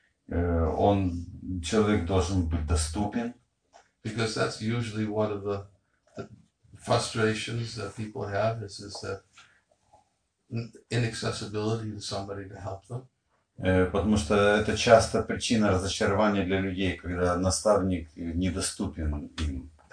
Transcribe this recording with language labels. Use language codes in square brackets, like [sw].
[ru] Он человек должен быть доступен. [en] Because that's usually one of the frustrations that people have is that inaccessibility to somebody to help them. [ru] Потому что это часто причина разочарования для людей, когда наставник недоступен им.